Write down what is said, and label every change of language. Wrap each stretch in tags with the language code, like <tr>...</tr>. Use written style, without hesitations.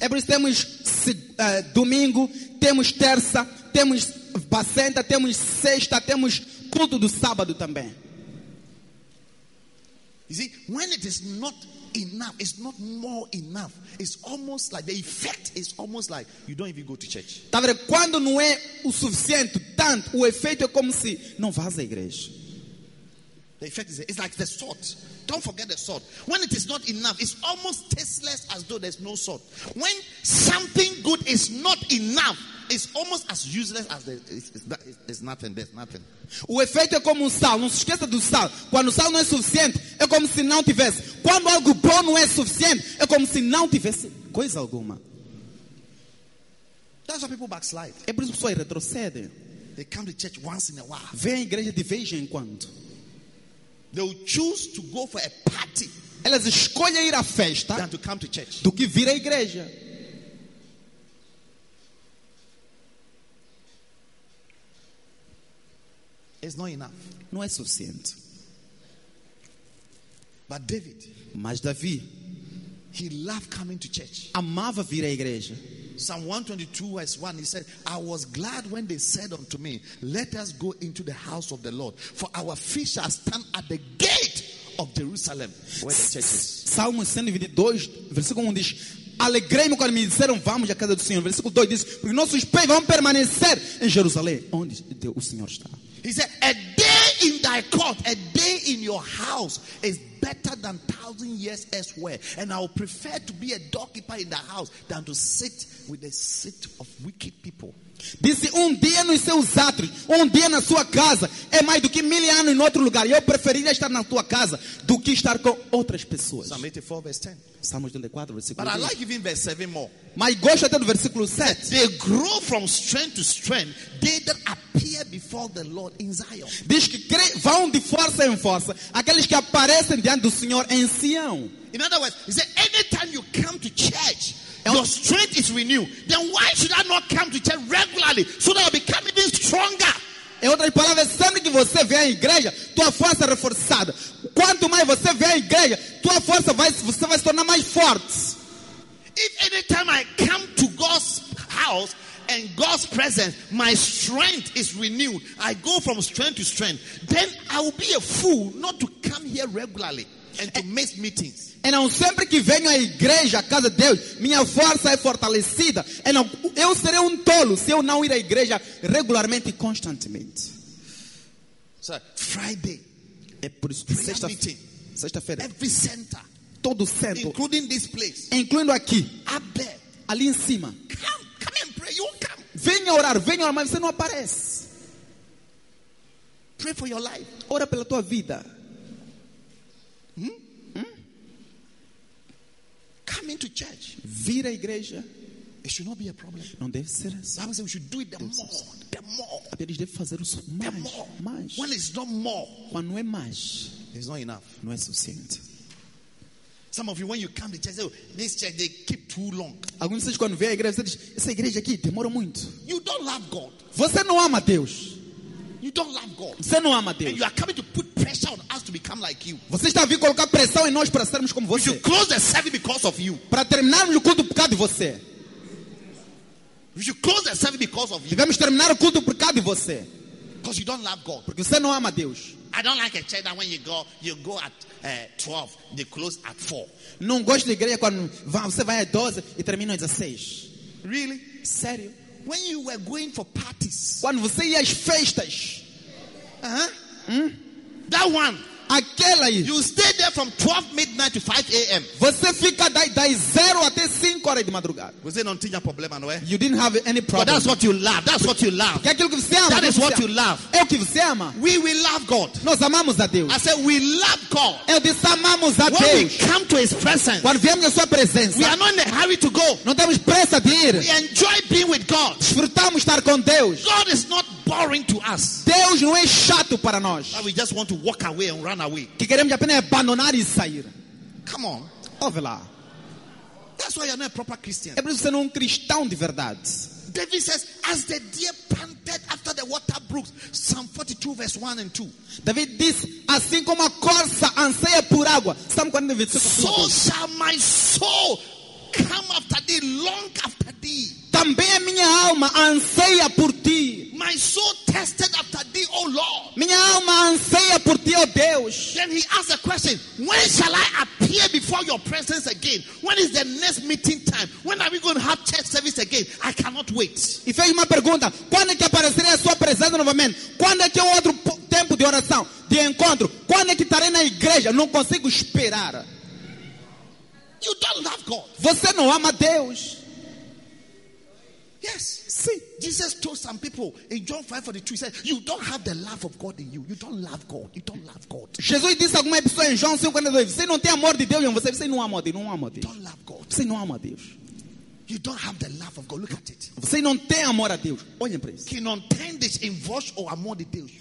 <en>Every</en> <pt>temos domingo, temos terça, temos Basenta, temos sexta, temos culto do sábado também.</pt> <en>You see, when it is not enough, it's not more enough. It's almost like the effect is almost like you don't even go to church.</en> <pt>Tá vendo? Quando não é o suficiente, tanto o efeito é como se não vás à igreja.</pt> <en>The effect is it's like the salt. Don't forget the salt. When it is not enough, it's almost tasteless as though there's no salt. When something good is not enough, it's almost as useless as there's nothing. There's nothing.</en> <pt>O efeito é como o sal. Não se esqueça do sal. Quando o sal não é suficiente, é como se não tivesse. Quando algo bom não é suficiente, é como se não tivesse coisa alguma.</pt> <en>That's why people backslide.</en> <pt>É por isso que pessoas retrocedem.</pt> <en>They come to church once in a while.</en> <pt>Vem à igreja de vez em quando.</pt> <en>They will choose to go for a party.</en> <pt>Elas escolhem ir à festa</pt> <en>than to come to church.</en> <pt>Do que vir à igreja.</pt> <en>It's not enough.</en> <pt>Não é suficiente.</pt> <en>But David,</en> <pt>mas Davi,</pt> <en>he loved coming to church.</en> <pt>Amava vir à igreja.</pt> <en>Psalm 122 verse 1, he said, I was glad when they said unto me, let us go into the house of the Lord, for our feet shall stand at the gate of Jerusalem, where the church is.</en> <pt>Psalm 122 versículo 1 diz, alegrei-me quando me disseram, vamos à casa do Senhor. Versículo 2 diz, porque nossos pés vão permanecer em Jerusalém, onde o Senhor está.</pt> <en>He said, a day in thy court, a day in your house is better than 1,000 years elsewhere. And I will prefer to be a doorkeeper in the house than to sit with the seat of wicked people.</en> <pt>Disse, dia nos seus átrios, dia na sua casa é mais do que 1,000 anos em outro lugar. Eu preferiria estar na tua casa do que estar com outras pessoas.</pt> <en>Psalm 84, verse 10.</en> <pt>Psalm 84, versículo</pt> <en>10. But I like even verse 7 more.</en> <pt>Mas gosto até do versículo 7.</pt> <en>They grow from strength to strength. They that appear before the Lord in Zion.</en> <pt>Diz que vão de força em força. Aqueles que aparecem diante do Senhor em Sião.</pt> <en>In other words, he said, anytime you come to church, your strength is renewed. Then why should I not come to church regularly so that I become even stronger?</en> <pt>Em outras palavras, sempre que você vem à igreja, tua força é reforçada. Quanto mais você vem à igreja, tua força vai, você vai se tornar mais forte.</pt> <en>If any time I come to God's house and God's presence, my strength is renewed, I go from strength to strength, then I will be a fool not to come here regularly and to miss meetings.</en> <pt>Então, sempre que venho à igreja, à casa de Deus, minha força é fortalecida. Então, eu serei tolo se eu não ir à igreja regularmente e constantemente.</pt> <en>So, Friday.</en> <pt>É por isso que sexta-feira.</pt> <en>Every center.</en> <pt>Todo centro.</pt> <en>Including this place.</en> <pt>Incluindo aqui.</pt> <en>Up there.</en> <pt>Ali em cima.</pt> <en>Come and pray. You won't come.</en> <pt>Venha orar, mas você não aparece.</pt> <en>Pray for your life.</en> <pt>Ora pela tua vida.</pt> <en>Come into church.</en> <pt>Vir à igreja.</pt> <en>It should not be a problem.</en> <pt>Não deve ser assim.</pt> <en>Bible says we should do it the more.</en> <pt>A Bíblia diz deve fazer isso mais.</pt> <en>When it's not more.</en> <pt>Quando é mais.</pt> <en>It's not enough.</en> <pt>Não é suficiente.</pt> <en>Some of you, when you come to church, say, this church, they keep too long.</en> <pt>Alguns de vocês quando vêm à igreja, dizem, essa igreja aqui demora muito.</pt> <en>You don't love God.</en> <pt>Você não ama Deus.</pt> <en>You don't love God.</en> <pt>Você não ama Deus.</pt> <en>And you are coming to put pressure on us to become like you.</en> <pt>Você está a vir colocar pressão em nós para sermos como você.</pt> <en>We should close the service because of you.</en> <pt>Para terminarmos o culto por causa de você.</pt> <en>We should close the service because of you.</en> <pt>Devemos terminar o culto por causa de você.</pt> <en>Because you don't love God.</en> <pt>Porque você não ama Deus.</pt> <en>I don't like a church that when you go at 12, they close at 4.</en> <pt>Não gosto de igreja quando você vai às 12 e termina às 16.</pt> <en>Really?</en> <pt>Sério?</pt> <en>When you were going for parties.</en> <pt>Quando você ia às festas.</pt> <en>That one.</en> <pt>Aquela aí.</pt> <en>You stay there from 12 midnight to 5 a.m.</en> <pt>Você fica daí 0 até 5 horas de madrugada. Você não tinha problema, não é?</pt> <en>You didn't have any problem. But that's what you love. That's what you love.</en> <pt>Que aquilo que você ama.</pt> <en>That is what you love.</en> <pt>É o que você ama.</pt> <en>We will love God.</en> <pt>Nós amamos a Deus.</pt> <en>I said we love God.</en> <pt>Eu disse amamos a</pt> <en>when</en> <pt>Deus.</pt> <en>When we come to His presence.</en> <pt>Quando viemos à sua presença.</pt> <en>We are not in a hurry to go.</en> <pt>Não temos pressa de ir.</pt> <en>We enjoy being with God.</en> <pt>Desfrutamos estar com Deus.</pt> <en>God is not boring to us.</en> <pt>Deus não é chato para nós.</pt> <en>But we just want to walk away and run away.</en> <pt>Que queremos apenas abandonar e sair.</pt> <en>Come on.</en> <pt>Ouve lá.</pt> <en>That's why you're not a proper Christian.</en> <pt>É por isso que você não é cristão de verdade.</pt> <en>David says, as the deer panted after the water brooks. Psalm 42 verse 1 and 2.</en> <pt>David diz, assim como a corça anseia por água.</pt> <en>Psalm 42. So shall my soul come after thee, long after thee.</en> <pt>Também a minha alma anseia por ti.</pt> <en>My soul tested after thee, O Lord.</en> <pt>Minha alma anseia por ti, ó Deus.</pt> <en>Then he asked a question. When shall I appear before your presence again? When is the next meeting time? When are we going to have church service again? I cannot wait.</en> <pt>E fez uma pergunta. Quando é que aparecerei a sua presença novamente? Quando é que é outro tempo de oração, de encontro? Quando é que estarei na igreja? Não consigo esperar.</pt> <en>You don't love God.</en> <pt>Você não ama Deus.</pt> <en>Yes. See, Jesus told some people in John 5:42, he said, you don't have the love of God in you. You don't love God. You don't love God.</en> <pt>Jesus disse a algumas pessoas em João 5:42, você não tem amor de Deus em você. Você não ama Deus. Não ama Deus.</pt> <en>You don't love God.</en> <pt>Você não ama Deus.</pt> <en>You don't have the love of God. Look at it.</en> <pt>Você não tem amor a Deus. Olhem para isso. Que não tem desenvolve o amor de Deus.</pt>